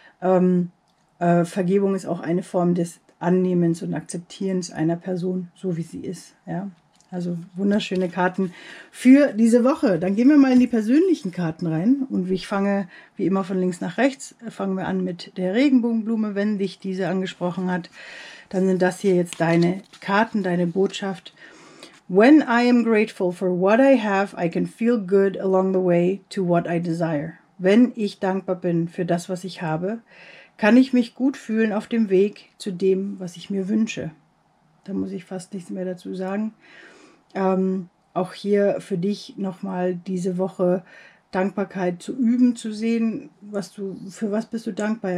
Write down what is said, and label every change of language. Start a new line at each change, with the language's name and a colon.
German: Vergebung ist auch eine Form des Annehmens und Akzeptierens einer Person, so wie sie ist. Ja? Also wunderschöne Karten für diese Woche. Dann gehen wir mal in die persönlichen Karten rein. Und ich fange, wie immer von links nach rechts, fangen wir an mit der Regenbogenblume, wenn dich diese angesprochen hat. Dann sind das hier jetzt deine Karten, deine Botschaft.
English: When I am grateful for what I have, I can feel good along the way to what I desire.
German: Wenn ich dankbar bin für das, was ich habe, kann ich mich gut fühlen auf dem Weg zu dem, was ich mir wünsche. Da muss ich fast nichts mehr dazu sagen. Auch hier für dich nochmal diese Woche Dankbarkeit zu üben, zu sehen, für was bist du dankbar.